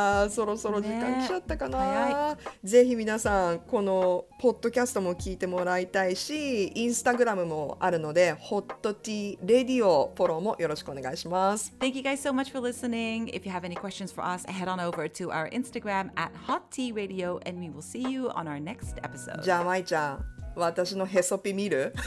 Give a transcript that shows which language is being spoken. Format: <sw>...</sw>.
<ja>そろそろ時間来ちゃったかな、ね、ぜひ皆さんこのポッドキャストも聞いてもらいたいし、インスタグラムもあるのでホットティーレディオフォローもよろしくお願いします。</ja> <en>Thank you guys so much for listening. If you have any questions for us, head on over to our Instagram at Hot Tea Radio, and we will see you on our next episode.</en> <ja>じゃあまいちゃん、私のへそぴ見る</ja>